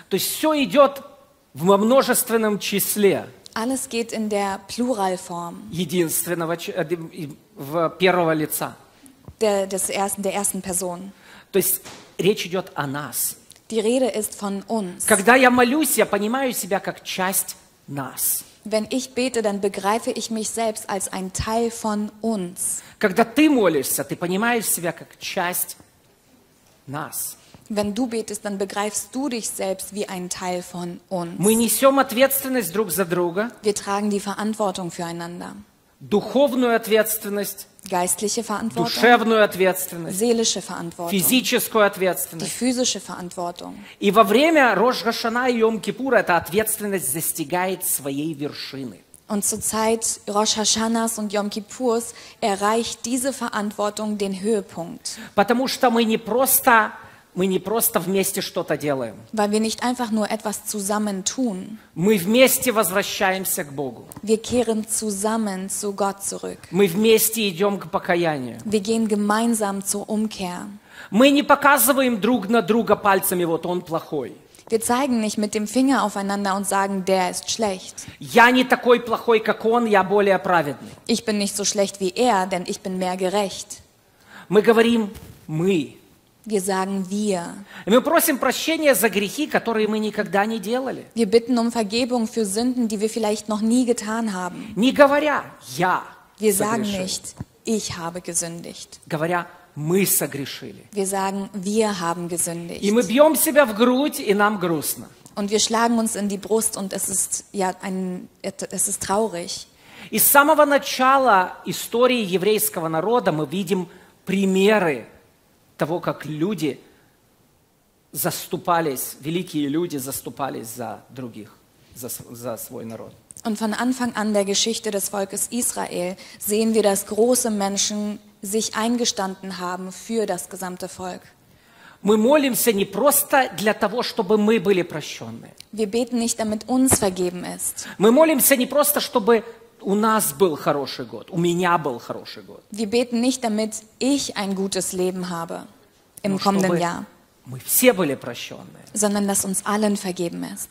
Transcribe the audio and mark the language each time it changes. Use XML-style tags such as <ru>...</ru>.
<ru>То есть все идет во множественном числе.</ru> <de>Alles geht in der Pluralform.</de> <ru>Единственного, в первого лица.</ru> <de>Der ersten Person.</de> <ru>То есть речь идет о нас.</ru> <de>Die Rede ist von uns.</de> <ru>Когда я молюсь, я понимаю себя как часть нас.</ru> <de>Wenn ich bete, dann begreife ich mich selbst als ein Teil von uns.</de> <ru>Когда ты молишься, ты понимаешь себя как часть нас.</ru> <de>Wenn du betest, dann begreifst du dich selbst wie ein Teil von uns. Wir tragen die Verantwortung füreinander.</de> <ru>Духовную ответственность,</ru> <de>geistliche Verantwortung,</de> <ru>душевную ответственность,</ru> <de>seelische Verantwortung,</de> <ru>физическую ответственность,</ru> <de>die physische Verantwortung.</de> <ru>И во время Рош Гашана и Йом-Кипура эта ответственность достигает своей вершины.</ru> <de>Und zur Zeit Rosh Hashanas und Yom Kippurs erreicht diese Verantwortung den Höhepunkt.</de> <ru>Потому что мы не просто Мы не просто вместе что-то делаем.</ru> <de>Weil wir nicht einfach nur etwas zusammen tun.</de> <ru>Мы вместе возвращаемся к Богу.</ru> <de>Wir kehren zusammen zu Gott zurück.</de> <ru>Мы вместе идем к покаянию.</ru> <de>Wir gehen gemeinsam zur Umkehr.</de> <ru>Мы не показываем друг на друга пальцами, вот он плохой.</ru> <de>Wir zeigen nicht mit dem Finger aufeinander und sagen, der ist schlecht.</de> <ru>Я не такой плохой, как он, я более праведный.</ru> <de>Ich bin nicht so schlecht wie er, denn ich bin mehr gerecht.</de> <ru>Мы говорим «мы».</ru> <de>Wir sagen wir.</de> <ru>Мы просим прощения за грехи, которые мы никогда не делали.</ru> <de>Wir bitten um Vergebung für Sünden, die wir vielleicht noch nie getan haben.</de> <ru>Не говоря я.</ru> <de>Wir sagen nicht, ich habe gesündigt.</de> <ru>Говоря мы согрешили.</ru> <de>Wir sagen, wir haben gesündigt.</de> <ru>И мы бьем себя в грудь, и нам грустно.</ru> <de>Und wir schlagen uns in die Brust und es ist traurig.</de> <ru>И с самого начала истории еврейского народа мы видим примеры того, как люди заступались, великие люди заступались за других, за свой народ.</ru> <de>Und von Anfang an der Geschichte des Volkes Israel sehen wir, dass große Menschen sich eingestanden haben für das gesamte Volk.</de> <ru>Мы молимся не просто для того, чтобы мы были прощены.</ru> <de>Wir beten nicht, damit uns vergeben ist.</de> <ru>Мы молимся не просто, чтобы у нас был хороший год, у меня был хороший год.</ru> <de>Wir beten nicht, damit ich ein gutes Leben habe im kommenden Jahr.</de> <ru>Мы все были прощены.</ru> <de>Sondern dass uns allen vergeben ist.</de>